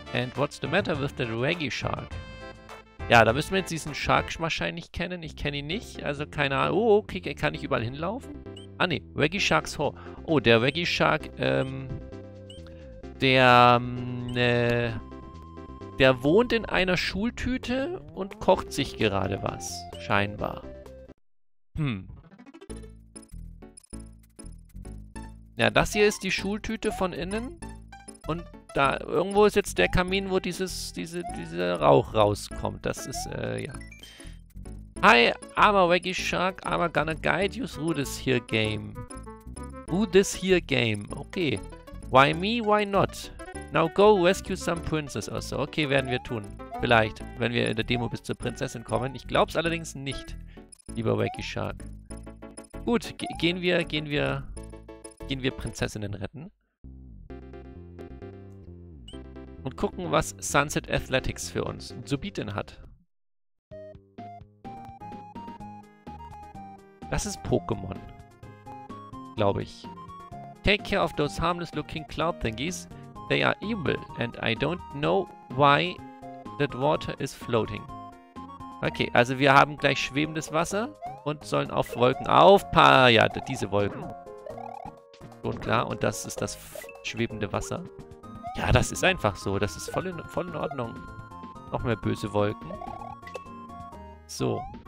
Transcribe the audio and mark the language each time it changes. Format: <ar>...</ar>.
<en>And what's the matter with the Reggae Shark?</en> <de>Ja, da müssen wir jetzt diesen Shark wahrscheinlich kennen. Ich kenne ihn nicht. Also keine Ahnung. Oh, okay, kann ich überall hinlaufen? Ah ne, Reggae Sharks Hall. Oh, der Reggae Shark, der wohnt in einer Schultüte und kocht sich gerade was, scheinbar. Ja, das hier ist die Schultüte von innen. Und da irgendwo ist jetzt der Kamin, wo dieser Rauch rauskommt. Das ist, ja.</de> <en>Hi, I'm a Reggae Shark. I'm gonna guide you through this here game. Through this here game. Okay. Why me? Why not? Now go rescue some princess or so.</en> <de>Okay, werden wir tun. Vielleicht, wenn wir in der Demo bis zur Prinzessin kommen. Ich glaub's allerdings nicht, lieber Reggae Shark. Gut, gehen wir Prinzessinnen retten. Und gucken, was Sunset Athletics für uns zu bieten hat. Das ist Pokémon. Glaube ich.</de> <en>Take care of those harmless-looking cloud thingies. They are evil and I don't know why that water is floating.</en> <de>Okay, also wir haben gleich schwebendes Wasser und sollen auf Wolken aufpassen. Ja, diese Wolken. Schon klar. Und das ist das schwebende Wasser. Ja, das ist einfach so. Das ist voll in Ordnung. Noch mehr böse Wolken. So.</de>